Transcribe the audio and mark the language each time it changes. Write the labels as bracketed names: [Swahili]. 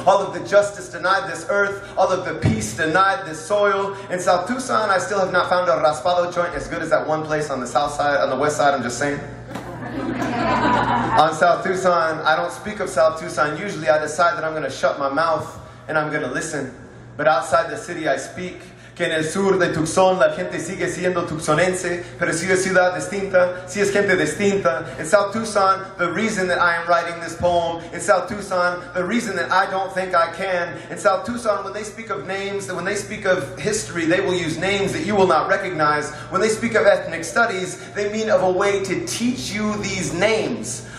[English] All of the justice denied this earth, all of the peace denied this soil. In South Tucson, I still have not found a raspado joint as good as that one place on the south side, on the west side, I'm just saying. On South Tucson, I don't speak of South Tucson. Usually I decide that I'm gonna shut my mouth and I'm gonna listen. But outside the city I speak, [Spanish] que en el sur de Tucson la gente sigue siendo tucsonense, pero si es ciudad distinta, si es gente distinta. [English] In South Tucson, the reason that I am writing this poem, in South Tucson, the reason that I don't think I can, in South Tucson, when they speak of names, when they speak of history, they will use names that you will not recognize. When they speak of ethnic studies, they mean of a way to teach you these names.